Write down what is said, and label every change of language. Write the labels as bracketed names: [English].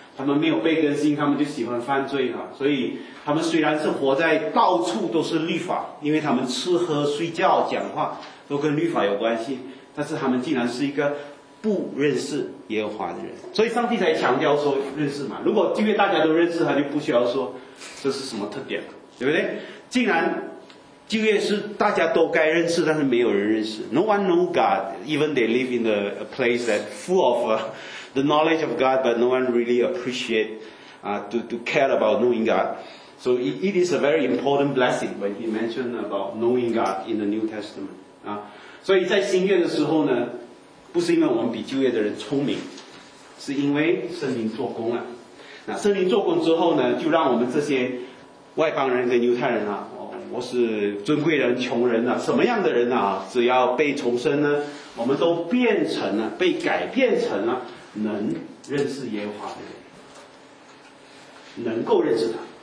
[Chinese] 他们没有被更新，他们就喜欢犯罪啊。所以他们虽然是活在到处都是律法，因为他们吃喝睡觉讲话都跟律法有关系，但是他们竟然是一个不认识耶和华的人。所以上帝才强调说认识嘛，如果因为大家都认识他，就不需要说这是什么特点，对不对？竟然旧约是大家都该认识，但是没有人认识。 [English] No one knows God, even they live in a place that full of the knowledge of God, but no one really appreciate to care about knowing God. So it is a very important blessing when he mentioned about knowing God in the New Testament. [Chinese] 所以在新约的时候呢，不是因为我们比旧约的人聪明，是因为圣灵做工了。那圣灵做工之后呢，就让我们这些外邦人跟犹太人啊，我是尊贵人穷人啊，什么样的人啊，只要被重生呢，我们都变成了，被改变成了能认识耶和华的人，能够认识他。